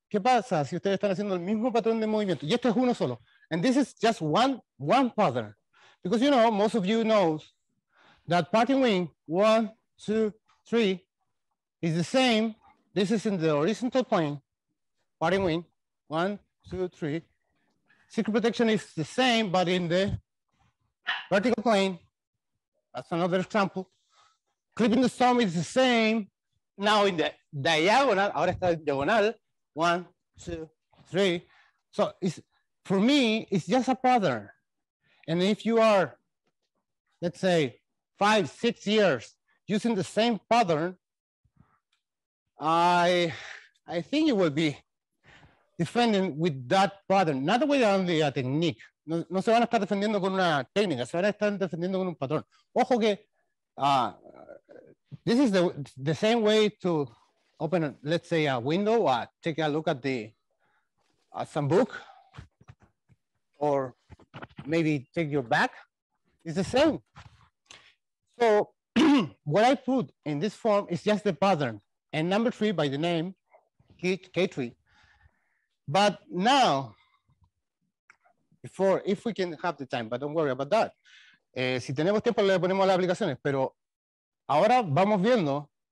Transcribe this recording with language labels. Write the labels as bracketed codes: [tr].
[es] ¿Qué pasa si ustedes están haciendo el mismo patrón de movimiento? Y esto es uno solo. [en] And this is just one pattern. Because, you know, most of you know that parting wing, 1, 2, 3, is the same. This is in the horizontal plane, parting wing, 1, 2, 3. Secret protection is the same, but in the vertical plane, that's another example. Clipping the stone is the same. Now in the diagonal, [es] ahora está en diagonal, [en] 1, 2, 3. So it's, for me, it's just a pattern. And if you are, let's say, 5, 6 years using the same pattern, I think you will be defending with that pattern, not the way on the technique. [es] No, no se van a estar defendiendo con una técnica, se van a estar defendiendo con un patrón. Ojo que, [en] this is the same way to open, let's say, a window, or take a look at the some book, or maybe take your back. It's the same. So what I put in this form is just the pattern. And number 3 by the name, K3. But now, before, if we can have the time, but don't worry about that. [es] Si tenemos tiempo, le ponemos las aplicaciones, pero ahora vamos viendo.